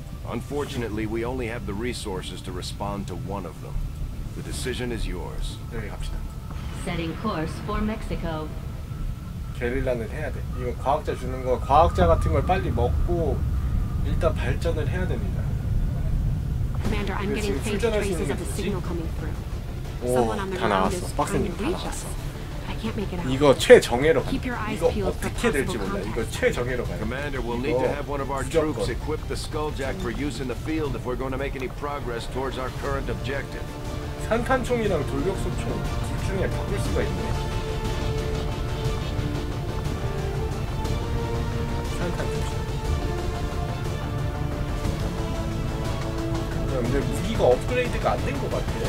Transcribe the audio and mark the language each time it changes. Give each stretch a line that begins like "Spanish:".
English: Unfortunately, we only have the resources to respond to one of them. The decision is yours.
Korean: 내리 갑시다.
English: Setting course for Mexico.
Korean: 게릴라는 해야 돼. 이거 과학자 주는 거, 과학자 같은 걸 빨리 먹고 일단 발전을 해야 됩니다.
English: Commander, I'm getting faint traces of the signal coming through.
Korean: 오, 다 나왔어. 박스님 다 나왔어. 이거 최정예로 가. 이거 어떻게 될지 몰라. 이거 최정예로 가.
English: Commander, we'll need to have one of our troops equip the Skulljack for use in the field if we're going to make any progress towards our current objective.
Korean: 산탄총이랑 돌격속총 둘 중에 바꿀 수가 있네. 산탄총. 근데 무기가 업그레이드가 안 된 것 같아.